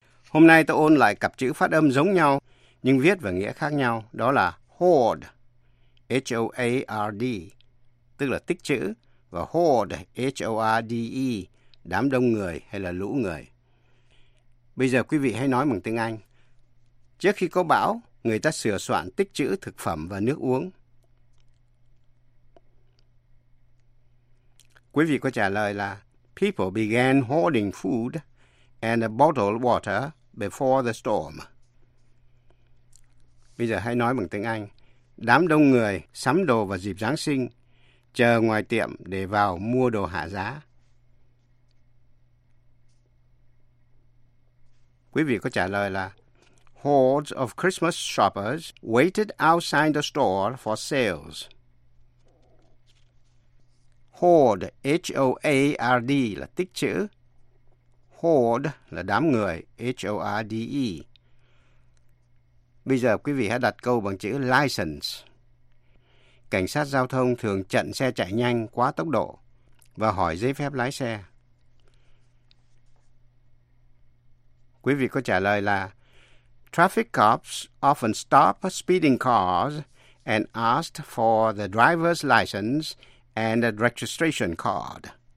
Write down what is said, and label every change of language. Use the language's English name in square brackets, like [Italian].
[Vietnamese] Hôm nay ta ôn lại cặp chữ phát âm giống nhau nhưng viết và nghĩa khác nhau, đó là hoard, H-O-A-R-D, tức là tích chữ, và hoard, H-O-R-D-E, đám đông người hay là lũ người. Bây giờ quý vị hãy nói bằng tiếng Anh. Trước khi có bão, người ta sửa soạn tích trữ thực phẩm và nước uống. Quý vị có trả lời là [English] people began hoarding food and a bottled water before the storm. [Vietnamese] Bây giờ hãy nói bằng tiếng Anh. Đám đông người sắm đồ vào dịp Giáng sinh, chờ ngoài tiệm để vào mua đồ hạ giá. Quý vị có trả lời là [English] hordes of Christmas shoppers waited outside the store for sales. [Vietnamese] Hoard, H-O-A-R-D là tích chữ. Hoard là đám người, H-O-R-D-E. Bây giờ quý vị hãy đặt câu bằng chữ license. Cảnh sát giao thông thường chặn xe chạy nhanh quá tốc độ và hỏi giấy phép lái xe. Quý vị có trả lời là [English] traffic cops often stop speeding cars and ask for the driver's license and a registration card.